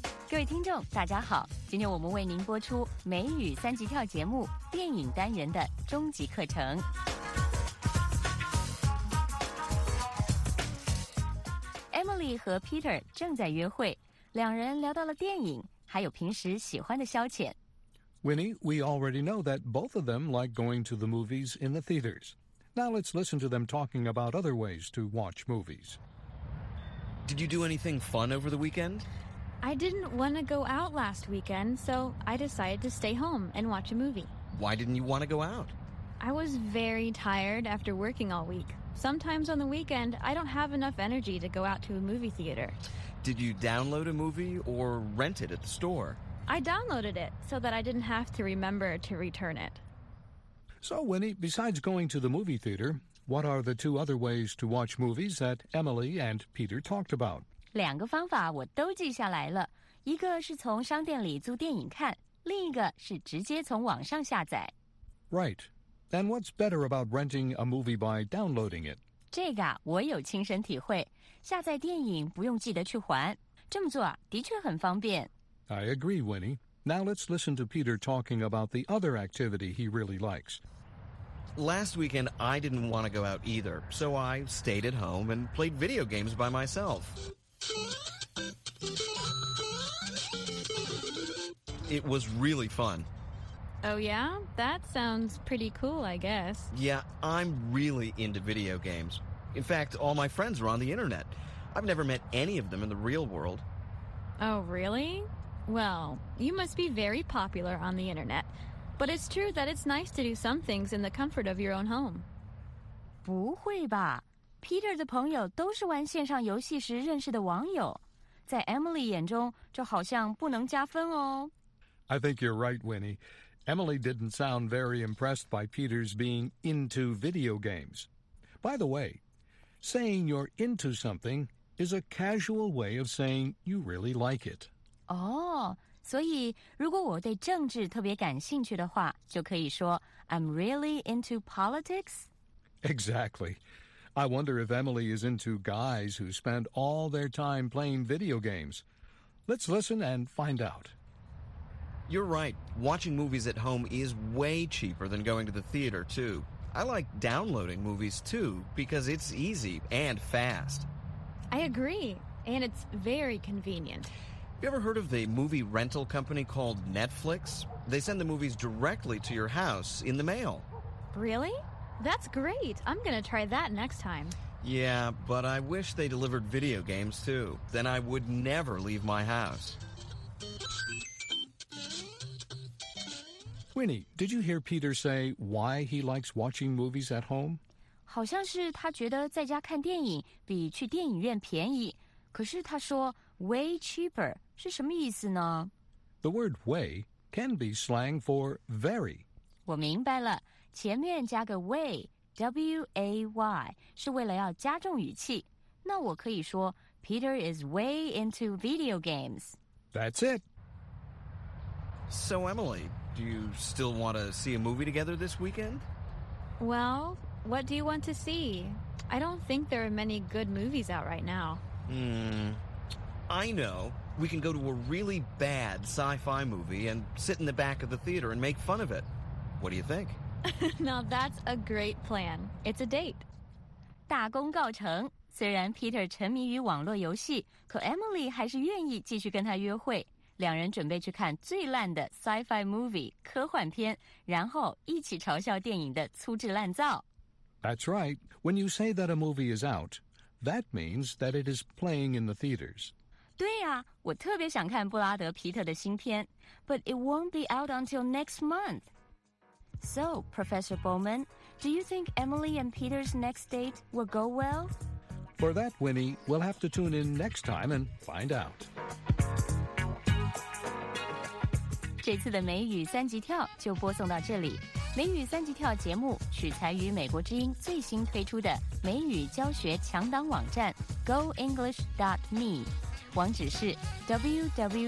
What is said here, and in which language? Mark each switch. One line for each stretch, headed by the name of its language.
Chinese: 各位听众大家好，今天我们为您播出美语三级跳节目电影单元的终极课程。 Emily 和 Peter 正在约会，两人聊到了电影还有平时喜欢的消遣。
English: Winnie, we already know that both of them like going to the movies in the theaters. Now let's listen to them talking about other ways to watch movies. Did you do anything fun over the weekend? I didn't want to go out last weekend, so I decided to stay home and watch a movie. Why didn't you want to go out? I was very tired after working all week. Sometimes on the weekend, I don't have enough energy to go out to a movie theater. Did you download a movie or rent it at the store? I downloaded it so that I didn't have to remember to return it. So, Winnie, besides going to the movie theater, what are the two other ways to watch movies that Emily and Peter talked about?
Chinese: 两个方法我都记下来了，一个是从商店里租电影看，另一个是直接从网上下载。
English: Right. And what's better about renting a movie by downloading it?
Chinese: 这个我有亲身体会，下载电影不用记得去还，这么做的确很方便。
English: I agree, Winnie. Now let's listen to Peter talking about the other activity he really likes. Last weekend, I didn't want to go out either, so I stayed at home and played video games by myself. It was really fun. Oh, yeah? That sounds pretty cool, I guess. Yeah, I'm really into video games. In fact, all my friends are on the internet. I've never met any of them in the real world. Oh, really? Well, you must be very popular on the internet. But it's true that it's nice to do some things in the comfort of your own home.
Chinese: 不会吧。 Peter 的朋友都是玩线上游戏时认识的网友，在 Emily 眼中这好像不能加分哦。
English: I think you're right, Winnie. Emily didn't sound very impressed by Peter's being into video games. By the way, saying you're into something is a casual way of saying you really like it.
Chinese: 哦，所以如果我对政治特别感兴趣的话，就可以说
English: I'm really into politics? Exactly. I wonder if Emily is into guys who spend all their time playing video games. Let's listen and find out. You're right. Watching movies at home is way cheaper than going to the theater, too. I like downloading movies, too, because it's easy and fast. I agree. And it's very convenient. Have you ever heard of the movie rental company called Netflix? They send the movies directly to your house in the mail. Really? That's great. I'm going to try that next time. Yeah, but I wish they delivered video games, too. Then I would never leave my house. Winnie, did you hear Peter say why he likes watching movies at home?
Chinese: 好像是他觉得在家看电影比去电影院便宜。可是他说
English: way cheaper
Chinese: 是什么意思呢?
English: The word way can be slang for very.
Chinese: 我明白了。前面加个 way, W-A-Y, 是为了要加重语气。那我可以说
English: Peter is way into video games. That's it. So, Emily, do you still want to see a movie together this weekend? Well, what do you want to see? I don't think there are many good movies out right now. I know. We can go to a really bad sci-fi movie and sit in the back of the theater and make fun of it. What do you think? Now that's a great plan. It's a date.
Chinese: 大功告成。虽然 Peter 沉迷于网络游戏，可 Emily 还是愿意继续跟他约会。两人准备去看最烂的 sci-fi movie 科幻片，然后一起嘲笑电影的粗制滥造。
English: That's right. When you say that a movie is out, that means that it is playing in the theaters.
Chinese: 对呀、啊，我特别想看布拉德皮特的新片。
English: But it won't be out until next month. So, Professor Bowman, do you think Emily and Peter's next date will go well? For that, Winnie, we'll have to tune in next time and find out.
Chinese: 这次的美语三级跳就播送到这里。美语三级跳节目取材于美国之音最新推出的美语教学强档网站 goenglish.me， 网址是 www.goenglish.me。